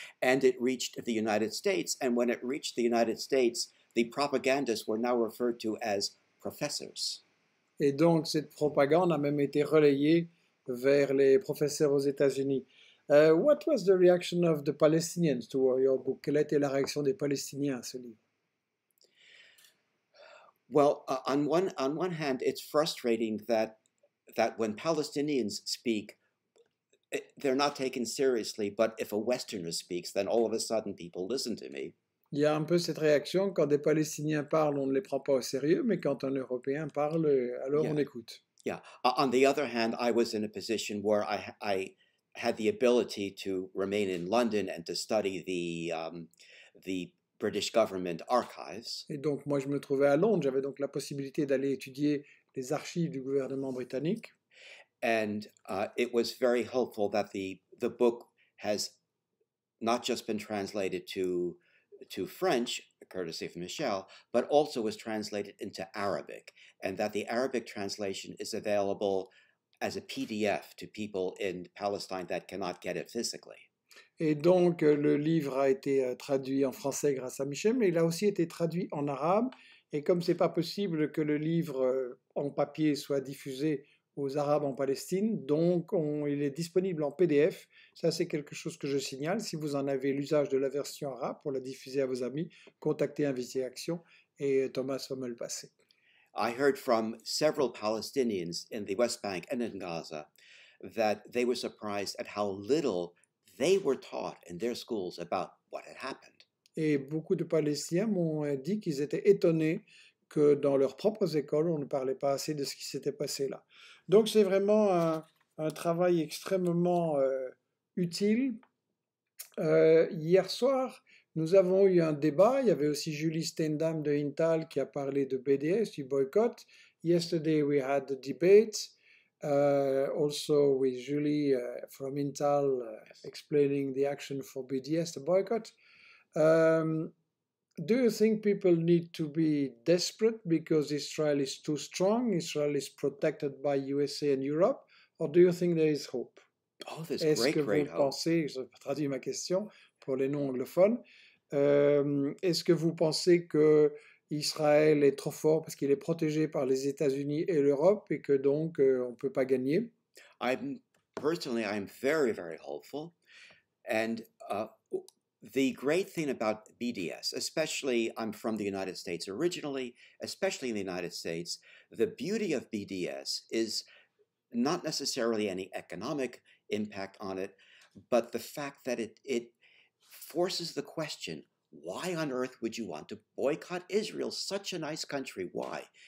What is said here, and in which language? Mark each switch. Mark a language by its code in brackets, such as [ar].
[en] And it reached the United States, and when it reached the United States, the propagandists were now referred to as professors. [fr] Et donc, cette propagande a même été relayée vers les professeurs aux États-Unis. [en] What was the reaction of the Palestinians to your book? [fr] Quelle était la réaction des Palestiniens à ce livre? [en] Well, on one hand, it's frustrating that when Palestinians speak, they're not taken seriously, but if a Westerner speaks, then all of a sudden people listen to me. [fr] Il y a un peu cette réaction, quand des Palestiniens parlent, on ne les prend pas au sérieux, mais quand un Européen parle, alors on écoute. [en] Yeah. On the other hand, I was in a position where I had the ability to remain in London and to study the British government archives. [fr] Et donc, moi, je me trouvais à Londres, j'avais donc la possibilité d'aller étudier les archives du gouvernement britannique. [en] And it was very helpful that the book has not just been translated to French, courtesy of Michel, but also was translated into Arabic, and that the Arabic translation is available as a PDF to people in Palestine that cannot get it physically. [fr] Et donc, le livre a été traduit en français grâce à Michel, mais il a aussi été traduit en arabe, et comme c'est pas possible que le livre en papier soit diffusé aux Arabes en Palestine, donc il est disponible en PDF. Ça, c'est quelque chose que je signale. Si vous en avez l'usage de la version arabe pour la diffuser à vos amis, contactez Invité Action et Thomas va me le passer. [en] I heard from several Palestinians in the West Bank and in Gaza that they were surprised at how little they were taught in their schools about what had happened. [fr] Et beaucoup de Palestiniens m'ont dit qu'ils étaient étonnés que dans leurs propres écoles, on ne parlait pas assez de ce qui s'était passé là. Donc c'est vraiment un travail extrêmement utile. Hier soir, nous avons eu un débat. Il y avait aussi Julie Steindam de Intal qui a parlé de BDS, du boycott. [en] Yesterday we had a debate, also with Julie from Intal explaining the action for BDS, the boycott. Do you think people need to be desperate because Israel is too strong, Israel is protected by USA and Europe, or do you think there is hope? Oh, there's great, great hope. [fr] Est-ce que vous pensez, je traduis ma question pour les non-anglophones, est-ce que vous pensez que Israël est trop fort parce qu'il est protégé par les États-Unis et l'Europe et que donc on ne peut pas gagner? [en] Personally, I'm very, very hopeful. And the great thing about BDS, especially I'm from the United States originally, especially in the United States, the beauty of BDS is not necessarily any economic impact on it, but the fact that it forces the question, why on earth would you want to boycott Israel, such a nice country, why?